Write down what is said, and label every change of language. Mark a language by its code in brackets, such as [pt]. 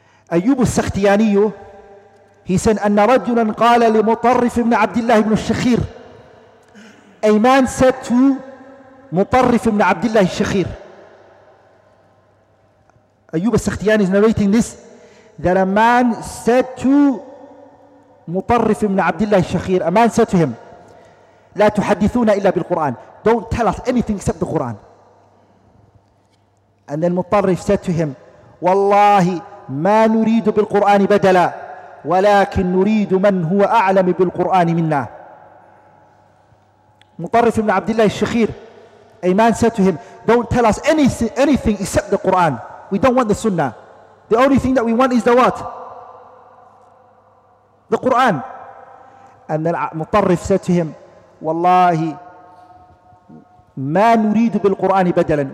[en] Ayyub al-Sakhtiyani, he said, [ar] أَنَّ رَجُّلًا قَالَ لِمُطَرِّفِ بْنَ عَبْدِ اللَّهِ بْنُ الشَّخِيرِ, [en] a man said to Mutarrif ibn Abdullah al-Shakhir. Ayyub al-Sakhtiyani is narrating this, that a man said to Mutarrif ibn Abdullah al-Shakhir, a man said to him, [ar] لا تحدثون إلا بالقرآن, [en] don't tell us anything except the Quran. And then Mutarrif said to him, [ar] والله ما نريد بالقرآن بدلا ولكن نريد من هو أعلم بالقرآن منا. [en] Mutarrif ibn Abdullah al-Shakhir, a man said to him, don't tell us anything except the Quran. We don't want the Sunnah. The only thing that we want is the what? The Quran. And then Mutarrif said to him, [ar] Wallahi, ma nuridu bil Quran badalan.